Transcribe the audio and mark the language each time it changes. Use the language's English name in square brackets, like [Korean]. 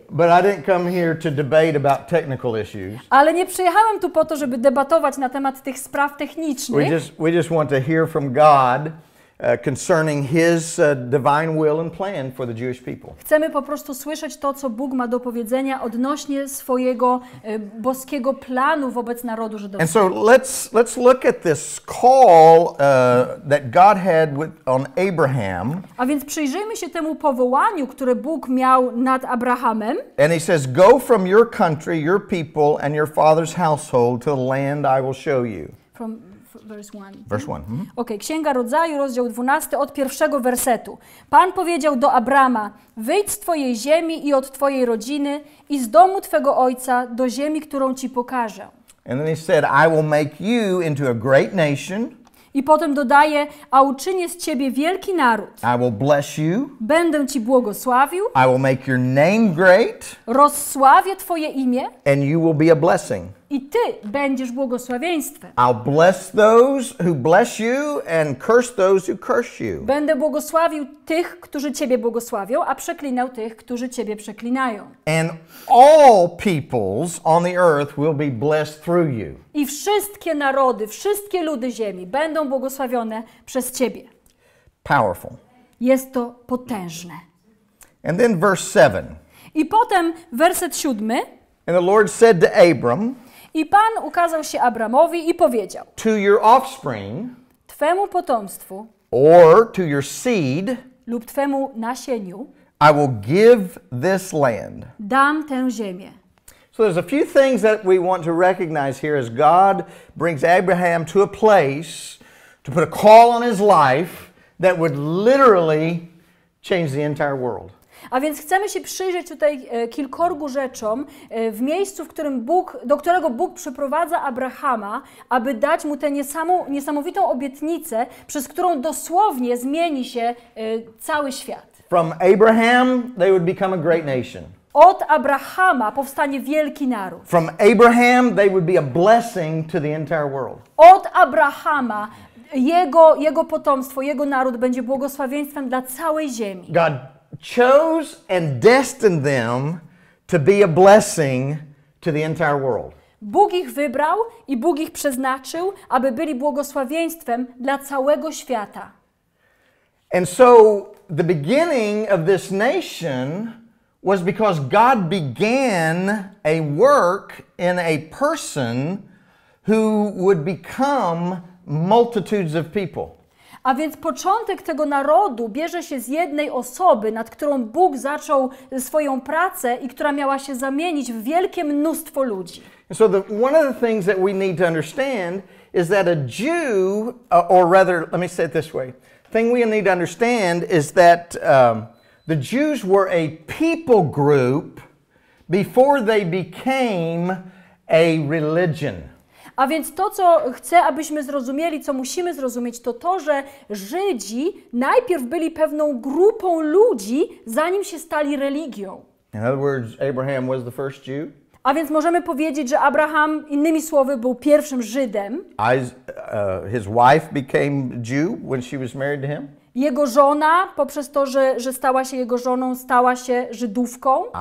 [English] But I didn't come here to debate about technical issues. [Polish] Ale nie przyjechałem tu po to, żeby debatować na temat tych spraw technicznych. [English] We just want to hear from God concerning his divine will and plan for the Jewish people. [Polish] Chcemy po prostu słyszeć to, co Bóg ma do powiedzenia odnośnie swojego boskiego planu wobec narodu żydowskiego. [English] And so let's look at this call that God had on Abraham. [Polish] A więc przyjrzyjmy się temu powołaniu, które Bóg miał nad Abrahamem. [English] And he says, go from your country, your people and your father's household to the land I will show you. From Verse 1. Mm-hmm. [Polish] Okay, Księga Rodzaju, rozdział 12, od pierwszego wersetu. Pan powiedział do Abrama: wyjdź z twojej ziemi i od twojej rodziny i z domu twego ojca do ziemi, którą ci pokażę. [English] And then he said, I will make you into a great nation. [Polish] I potem dodaje, a uczynię z ciebie wielki naród. [English] I will bless you. [Polish] Będę ci błogosławił. [English] I will make your name great. [Polish] Rozsławię twoje imię. [English] And you will be a blessing. [Polish] I ty będziesz błogosławieństwem. [English] I'll bless those who bless you and curse those who curse you. [Polish] Będę błogosławił tych, którzy ciebie błogosławią, a przeklinał tych, którzy ciebie przeklinają. [English] And all peoples on the earth will be blessed through you. [Polish] I wszystkie narody, wszystkie ludy ziemi będą błogosławione przez ciebie. [English] Powerful. [Polish] Jest to potężne. [English] And then verse 7. [Polish] I potem werset 7. [English] And the Lord said to Abram, [Polish] i Pan ukazał się Abramowi i powiedział: [English] to your offspring, [Polish] twemu potomstwu, [English] or to your seed, [Polish] lub twemu nasieniu, [English] I will give this land, [Polish] dam tę ziemię. [English] So there's a few things that we want to recognize here as God brings Abraham to a place to put a call on his life that would literally change the entire world. [Polish] A więc chcemy się przyjrzeć tutaj kilkorgu rzeczom w miejscu, w którym Bóg, do którego Bóg przyprowadza Abrahama, aby dać mu tę niesamowitą obietnicę, przez którą dosłownie zmieni się cały świat. [English] From Abraham they would become a great nation. [Polish] Od Abrahama powstanie wielki naród. [English] From Abraham they would be a blessing to the entire world. [Polish] Od Abrahama jego potomstwo, jego naród będzie błogosławieństwem dla całej ziemi. [English] God chose and destined them to be a blessing to the entire world. [Polish] Bóg ich wybrał i Bóg ich przeznaczył, aby byli błogosławieństwem dla całego świata. [English] And so the beginning of this nation was because God began a work in a person who would become multitudes of people. [Polish] A więc początek tego narodu bierze się z jednej osoby, nad którą Bóg zaczął swoją pracę i która miała się zamienić w wielkie mnóstwo ludzi. [English] So the, one of the things that we need to understand is that a Jew, or rather, let me say it this way. Thing we need to understand is that the Jews were a people group before they became a religion. [Polish] A więc to, co chcę, abyśmy zrozumieli, co musimy zrozumieć, to to, że Żydzi najpierw byli pewną grupą ludzi, zanim się stali religią. [English] In other words, Abraham was the first Jew. [Polish] A więc możemy powiedzieć, że Abraham, innymi słowy, był pierwszym Żydem. [English] His wife became Jew when she was married to him. [Polish] Jego żona, poprzez to, że stała się jego żoną, stała się Żydówką.